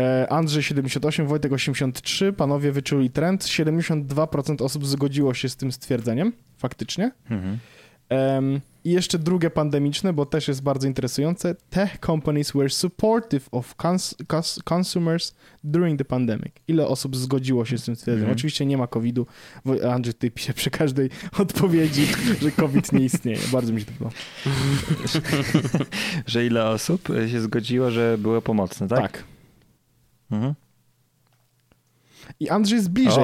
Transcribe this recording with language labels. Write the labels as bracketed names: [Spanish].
[Polish] Andrzej 78, Wojtek 83, panowie wyczuli trend. 72% osób zgodziło się z tym stwierdzeniem, faktycznie. Mhm. I jeszcze drugie pandemiczne, bo też jest bardzo interesujące. [English] Tech companies were supportive of consumers during the pandemic. [Polish] Ile osób zgodziło się z tym stwierdzeniem? Mhm. Oczywiście nie ma COVID-u. Andrzej, ty pisze przy każdej odpowiedzi, że COVID nie istnieje. Bardzo mi się to podoba. Że ile osób się zgodziło, że było pomocne, tak? Tak. Mhm. I Andrzej jest bliżej.